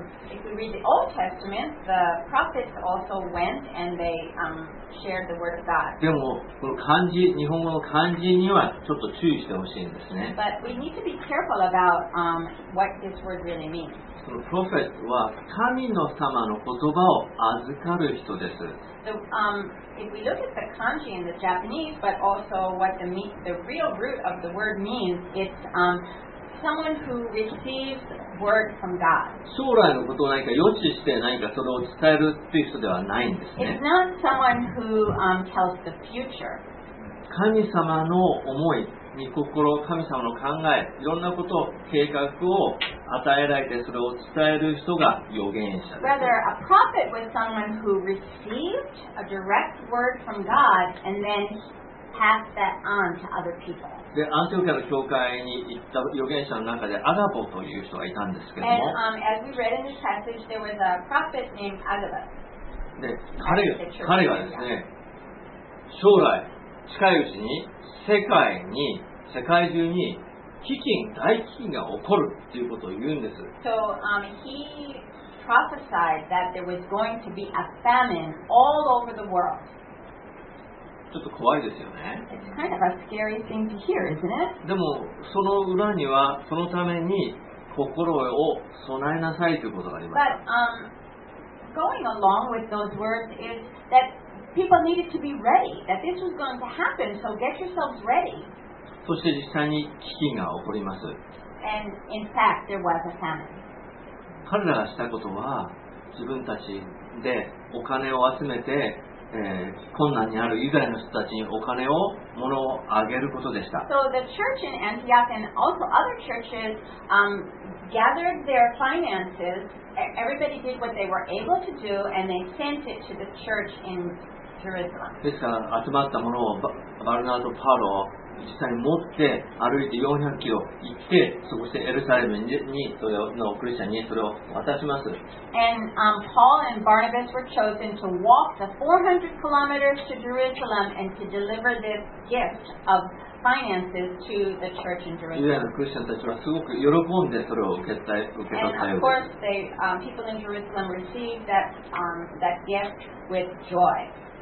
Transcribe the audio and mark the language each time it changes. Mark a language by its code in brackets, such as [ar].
[en] If we read the Old Testament, the prophets also went and they shared the word of God. [ja] でもこの漢字、日本語の漢字にはちょっと注意してほしいんですね。 [en] But we need to be careful about what this word really means. [ja] このプロフェットは神の様の言葉を預かる人です。 [en] So, if we look at the kanji in the Japanese, but also what the real root of the word means, it's someone who receives word from God. [ja] 将来のことを何か予知して何かそれを伝えるっていう人ではないんですね。 [en] It's not someone who tells the future. [ja] 神様の思い、御心、神様の考え、いろんなこと、計画を与えられてそれを伝える人が預言者です。 [en] Rather, a prophet was someone who received a direct word from God and then pass that on to other people. [ja] で、アンティオキアの教会に行った預言者の中でアガボという人がいたんですけども。 [en] And as we read in this passage, there was a prophet named Agabus. [ja] で、彼がですね、将来近いうちに世界中に飢饉、大飢饉が起こるっていうことを言うんです。 [en] So, he prophesied that there was going to be a famine all over the world. [ja] ちょっと怖いですよね。 [en] It's kind of a scary thing to hear, isn't it? [ja] でも、その裏にはそのために心を備えなさいということがあります。 [en] But, going along with those words is that people needed to be ready, that this was going to happen, so get yourselves ready. [ja] そして実際に飢饉が起こります。 [en] And in fact, there was a famine. [ja] 彼らがしたことは、自分たちでお金を集めて、困難にあるユダヤの人たちにお金を、物をあげることでした。 [en] So the church in Antioch and also other churches, gathered their finances. Everybody did what they were able to do, and they sent it to the church in Jerusalem. [ja] ですから集まったものをバルナとパウロ実際に持って歩いて400キロ行って、そしてエルサレムにそれのクリスチャンにそれを渡します。 [en] And Paul and Barnabas were chosen to walk the 400 kilometers to Jerusalem and to deliver this gift of finances to the church in Jerusalem. [ja] ユダヤのクリスチャンたちはすごく喜んでそれを受け取ったようです。 [en] And of course, the people in Jerusalem received that that gift with joy.